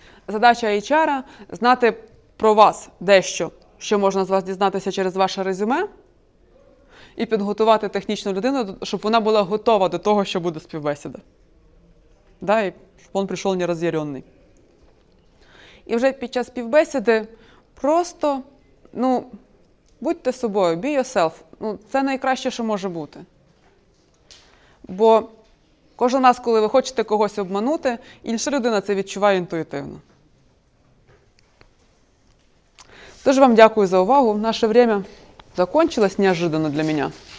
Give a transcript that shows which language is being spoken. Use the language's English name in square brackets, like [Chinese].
[Ukrainian] Задача HR – знати про вас дещо, що можна з вас дізнатися через ваше резюме, і підготувати технічну людину, щоб вона була готова до того, що буде співбесіда. Да, і щоб він прийшов не роз'ярений. І вже під час співбесіди просто, ну, будьте собою, [English] be yourself. [Ukrainian] Ну, це найкраще, що може бути. Бо кожен раз, коли ви хочете когось обманути, інша людина це відчуває інтуїтивно. Тож вам дякую за увагу. [Russian] Наше время закончилось неожиданно для мене.